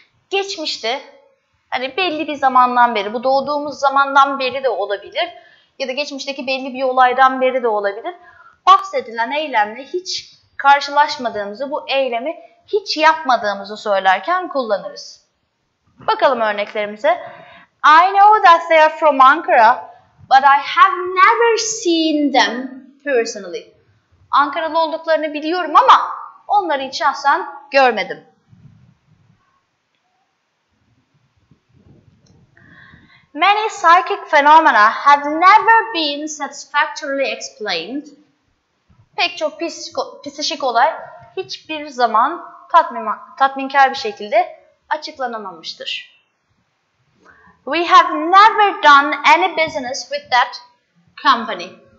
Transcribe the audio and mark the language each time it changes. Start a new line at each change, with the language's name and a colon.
Turkish: Geçmişte, hani belli bir zamandan beri, bu doğduğumuz zamandan beri de olabilir. Ya da geçmişteki belli bir olaydan beri de olabilir. Bahsedilen eylemle hiç karşılaşmadığımızı, bu eylemi hiç yapmadığımızı söylerken kullanırız. Bakalım örneklerimize.
English: I know that they are from Ankara, but I have never seen them personally.
Turkish: Ankaralı olduklarını biliyorum ama onları hiç şahsen görmedim.
English: Many psychic phenomena have never been satisfactorily explained.
Turkish: Pek çok psişik olay hiçbir zaman tatminkar bir şekilde açıklanamamıştır.
English: We have never done any business with that company.